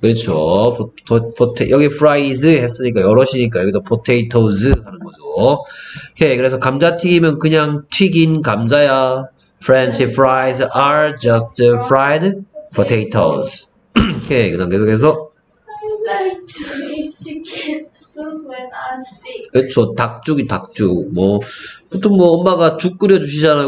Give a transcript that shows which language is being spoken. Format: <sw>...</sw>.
<ko>그렇죠. 여기 프라이즈 했으니까 여럿이니까 여기도 포테이토즈 하는 거죠. 오케이, 그래서 감자 튀김은 그냥 튀긴 감자야.</ko> <en>프렌치 프라이즈 are just fried potatoes.</en> <ko>오케이, 그 다음 계속해서</ko> <en>I like to eat chicken soup when I'm sick.</en> <ko>그렇죠. 닭죽이 닭죽. 뭐 보통 뭐 엄마가 죽 끓여주시잖아요.</ko>